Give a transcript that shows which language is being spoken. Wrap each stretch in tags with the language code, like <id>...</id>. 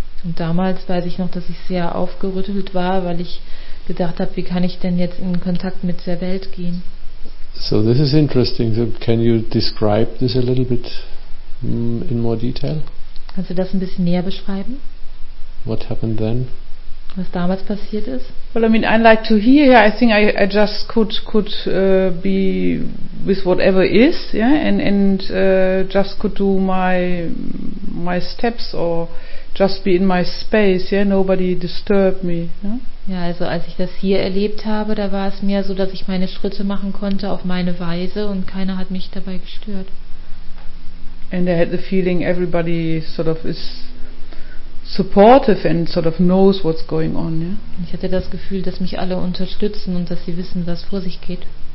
<de>Und damals weiß ich noch, dass ich sehr aufgerüttelt war, weil ich gedacht habe, wie kann ich denn jetzt in Kontakt mit der Welt gehen?</de> <en>So this is interesting. So can you describe this a little bit in more detail?</en> <de>Kannst du das ein bisschen näher beschreiben?</de> <en>What happened then?</en> <de>Was damals passiert ist?</de> <en>Well, I mean, unlike to here, I think I just could be with whatever is, yeah, and just could do my steps or just be in my space, yeah, nobody disturbed me. Yeah?</en> <de>Ja, also als ich das hier erlebt habe, da war es mir so, dass ich meine Schritte machen konnte auf meine Weise und keiner hat mich dabei gestört.</de> <en>And I had the feeling everybody sort of is supportive and sort of knows what's going on. Yeah.</en> <de>Ich hatte das Gefühl, dass mich alle unterstützen und dass sie wissen, was vor sich geht.</de>